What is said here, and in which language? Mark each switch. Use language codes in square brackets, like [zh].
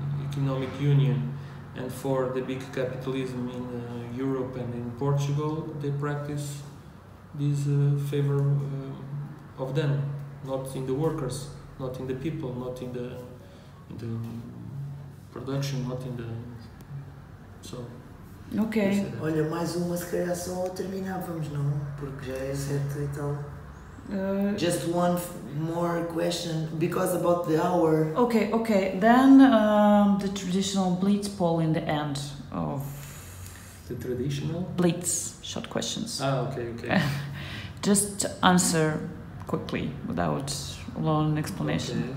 [en] economic union and for the big capitalism in Europe and in Portugal, they practice this favor of them, not in the workers, not in the people, not in the production, not in the so. Ok. [pt] Olha, mais uma, se calhar só terminávamos, não? Porque já é 7 e tal. [en] Just one more question, because about the hour. Okay, okay. Then the traditional blitz poll in the end of... The traditional? Blitz, short questions. Ah, okay, okay. Just answer quickly, without long explanation.